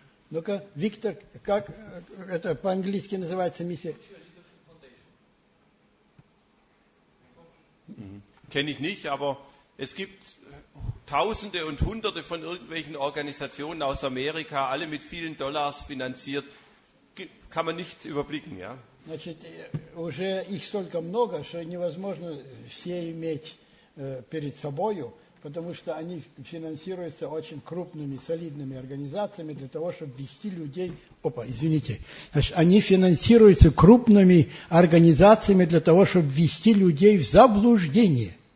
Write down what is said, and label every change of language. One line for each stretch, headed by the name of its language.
Russian: Ну-ка, Виктор, как это по-английски называется миссия?
German: Kenne ich nicht, aber es gibt Tausende und Hunderte von irgendwelchen Organisationen aus Amerika, alle mit vielen Dollars finanziert, kann man nicht überblicken, ja?
Russian: Значит, уже их столько много, что невозможно все иметь перед собою. Потому что они финансируются очень крупными, солидными организациями для того, чтобы вести людей. Опа, извините. Значит, они финансируются крупными организациями для того, чтобы вести людей в заблуждение.